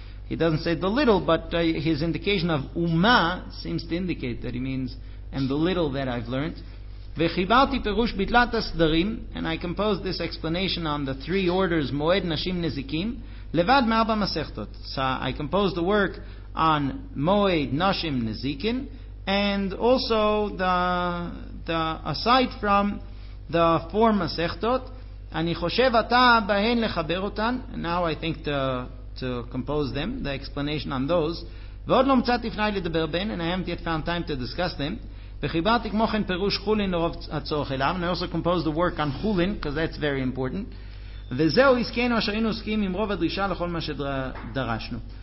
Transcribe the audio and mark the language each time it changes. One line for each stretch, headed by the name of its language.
English: He doesn't say the little, but his indication of Uma seems to indicate that he means, and the little that I've learned.
Hebrew: וחיברתי פירוש בתלת הסדרים,
English: and I composed this explanation on the three orders,
Hebrew: מועד נשים נזיקים, לבד מארבע מסכתות.
English: So I composed the work on מועד נשים נזיקים, and also the aside from the four מסכתות,
Hebrew: אני חושב אתה בהן לחבר אותן,
English: and now I think to compose them, the explanation on those,
Hebrew: ועוד לא מצאתי פנאי לדבר בהן,
English: and I haven't yet found time to discuss them.
Hebrew: וחיברתי כמו כן פירוש חולין לרוב הצורך אליו,
English: and I also composed the work on חולין, because that's very important.
Hebrew: וזהו עסקנו אשר היינו עוסקים עם רוב הדרישה לכל מה שדרשנו.